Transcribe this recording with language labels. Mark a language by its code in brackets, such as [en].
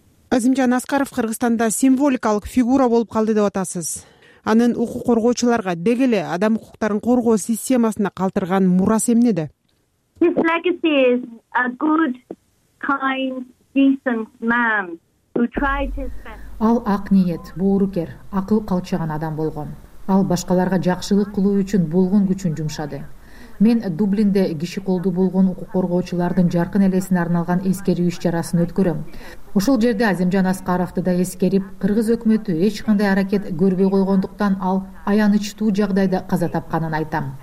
[ky] Азимжан Аскаров Кыргызстанда символикалык фигура болуп калды деп атасыз. Анын укук коргоочуларга деги эле адам укуктарын коргоо системасына калтырган мурасы эмнеде? [en] His legacy is a good, kind, decent man who tried to spend. [ky] Ал ак ниет, боорукер, акыл калчыган адам болгон. Ал башкаларга жакшылык кылуу үчүн болгон күчүн жумшады. Мен Дублинде киши колду болгон укук коргоочулардын жаркын элесине арналган эскерүү иш-чарасын өткөрөм. Ушул жерде Азимжан Аскаровду да эскерип, кыргыз өкмөтү эч кандай аракет көрбөй койгондуктан ал аянычтуу жагдайда каза тапканын айтам.